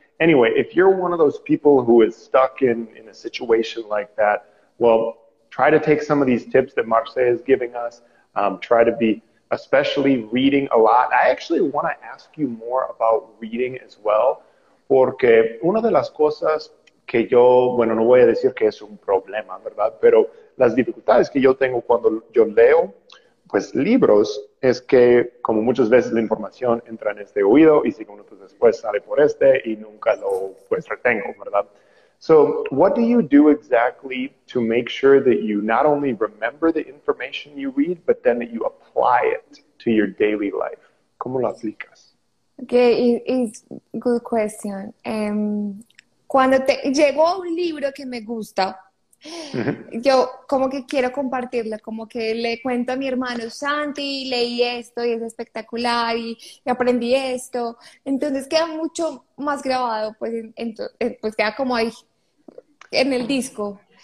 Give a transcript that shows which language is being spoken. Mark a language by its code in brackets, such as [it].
[en] Anyway, if you're one of those people who is stuck in a situation like that, well, try to take some of these tips that Marce is giving us. Try to be especially reading a lot. I actually want to ask you more about reading as well. [es] Porque una de las cosas que yo, bueno, no voy a decir que es un problema, ¿verdad? Pero las dificultades que yo tengo cuando yo leo, pues, libros, es que como muchas veces la información entra en este oído y 5 minutos después sale por este y nunca lo, pues, retengo, ¿verdad? [en] So, what do you do exactly to make sure that you not only remember the information you read, but then that you apply it to your daily life? [es] ¿Cómo lo aplicas? [en] Okay, it's good question. [es] Cuando te llego a un libro que me gusta, yo como que quiero compartirlo, como que le cuento a mi hermano Santi, leí esto y es espectacular y aprendí esto. Entonces queda mucho más grabado, pues, pues queda como ahí en el disco.